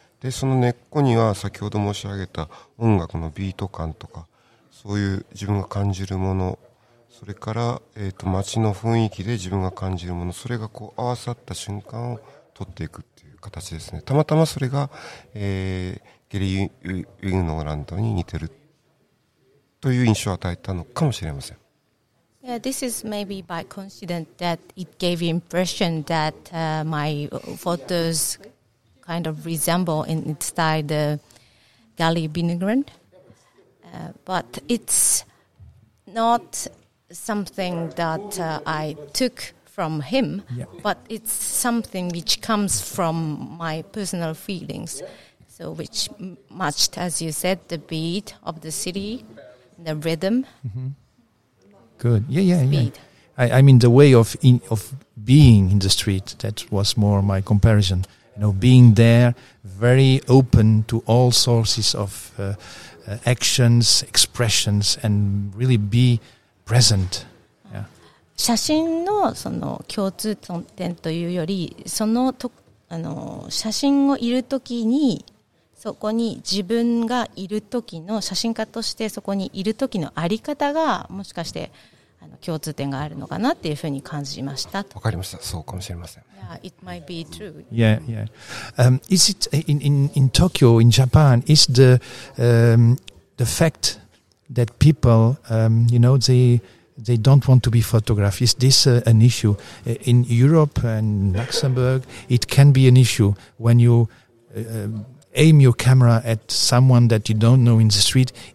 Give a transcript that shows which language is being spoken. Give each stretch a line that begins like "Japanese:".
Japanese: でその根っこには先ほど申し上げた音楽のビート感とか、そういう自分が感じるもの、それから街の雰囲気で自分が感じるもの、それがこう合わさった瞬間を撮っていくっていう形ですね。たまたまそれが、ゲリー・ウィノグランドに似てるという印象を与えたのかもしれません。
English: Yeah, this is maybe by coincidence that it gave impression that my photos kind of resemble in its style the Gary Vinogran. But it's not something that I took from him, but it's something which comes from my personal feelings, so which matched, as you said, the beat of the city, the rhythm. Mm-hmm. Good. I mean the way of being in the street, that was more my comparison, you know, being there very open to all sources of actions, expressions, and really be present.
Japanese: 写真のその共通点というより、そのと、あの写真をいるときに、そこに自分がいるときの写真家として、そこにいるときのあり方がもしかしてあの共通点があるのかなっていうふうに感じました。わかりました。そうかもしれません。
English: Yeah, it might be true. Yeah, yeah. Is it in Tokyo, in Japan, is the fact that people, you know, they don't want to be photographed. Is this an issue? In Europe and Luxembourg, it can be an issue when you aim your camera at someone that you don't know in the street.